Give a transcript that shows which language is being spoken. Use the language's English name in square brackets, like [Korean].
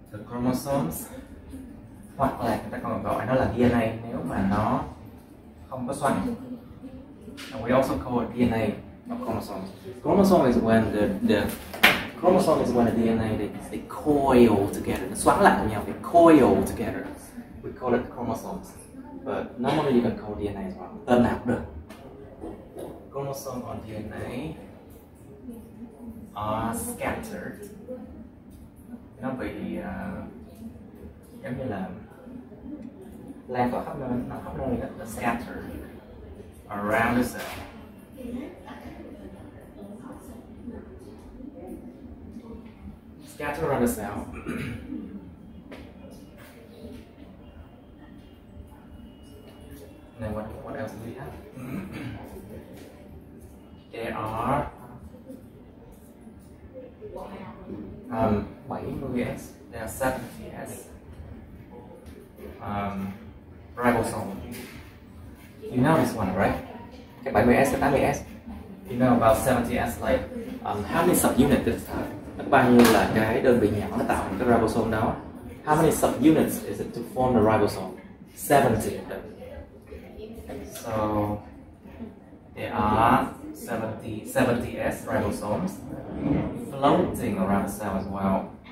[Vietnamese] chromosomes, hoặc là người ta còn gọi nó là DNA nếu mà nó không có xoắn. [English] And we also call it DNA, not chromosomes. Chromosome is when the DNA they coil together. [Vietnamese] Nó xoắn lại với nhau, [English] they coil together. We call it chromosomes. But normally you can call DNA as well. [Vietnamese] Tên nào cũng được. [English] Chromosome on DNA are scattered. [Vietnamese] Nó bị giống như là lan tỏa khắp nơi, nó khắp nơi là [English] scattered around the cell. Scattered around the cell. And then what else do we have? There are 70s. There are 70s. Ribosome. You know this one, right? Okay, 70s, 80s. You know about 70s, like how many subunits does it have? [Vietnamese] Nó bao nhiêu là cái đơn vị nhỏ nó tạo cái ribosome đó? [English] How many subunits is it to form the ribosome? 70. So there are 70s ribosomes floating around the cell as well.